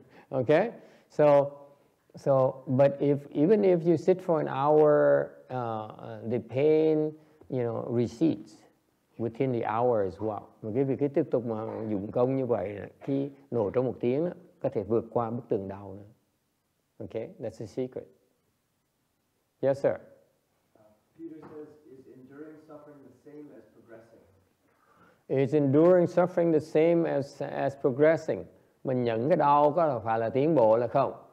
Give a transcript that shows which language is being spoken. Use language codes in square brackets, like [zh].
[en] Okay, so, but if even if you sit for an hour, the pain, you know, recedes within the hour as well. [vi] Mà cái việc cái tiếp tục mà dụng công như vậy, khi nổ trong một tiếng đó, có thể vượt qua bức tường đau nữa. [en] Okay, that's the secret. Yes, sir. Peter says, is enduring suffering the same as progressing? Is enduring suffering the same as progressing? [vi] Mình nhận cái đau có phải là tiến bộ là không?